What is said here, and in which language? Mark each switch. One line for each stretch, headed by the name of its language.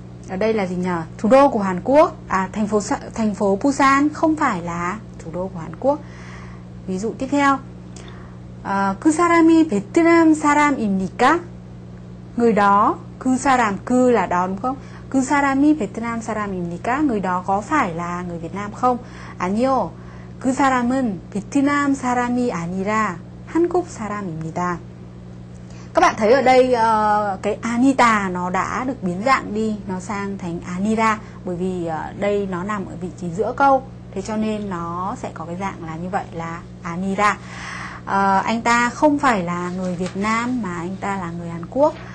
Vietnamese: Ở đây là gì nhỉ? Thủ đô của Hàn Quốc, thành phố Busan không phải là thủ thủ đô của Hàn Quốc. Ví dụ tiếp theo,
Korean: 그 사람이 베트남 사람입니까?
Vietnamese: Người đó, 그 사람, 그 là đó đúng không?
Korean: 그 사람이 베트남 사람입니까?
Vietnamese: Người đó có phải là người Việt Nam không?
Korean: 아니요, 그 사람은 베트남 사람이 아니라 한국 사람입니다.
Vietnamese: Các bạn thấy ở đây cái anita nó đã được biến dạng đi, nó sang thành anira, bởi vì đây nó nằm ở vị trí giữa câu, thế cho nên nó sẽ có cái dạng là như vậy, là anira. Anh ta không phải là người Việt Nam mà anh ta là người Hàn Quốc.